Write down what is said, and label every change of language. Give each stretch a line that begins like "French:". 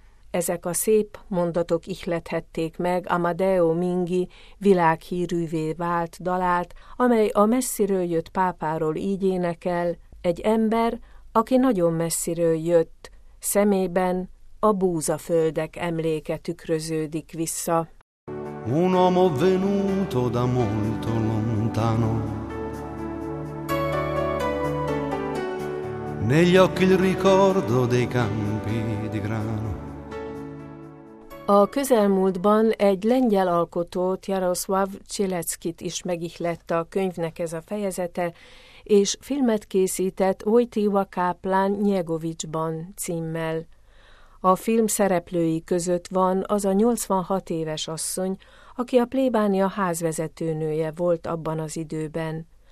Hungarian: Ezek a szép mondatok ihlethették meg Amadeo Mingi világhírűvé vált dalát, amely a messziről jött pápáról így énekel, egy ember, aki nagyon messziről jött, szemében a búzaföldek emléke tükröződik vissza.
Italian: Un uomo venuto da molto lontano. Negli occhi il ricordo dei campi di grano.
Hungarian: A közelmúltban egy lengyel alkotót, Jaroszláv Cseleckit is megihlette a könyvnek ez a fejezete, és filmet készített Wojtyła káplán Nyegovicsban címmel. A film szereplői között van az a 86 éves asszony, aki a plébánia házvezetőnője volt abban az időben.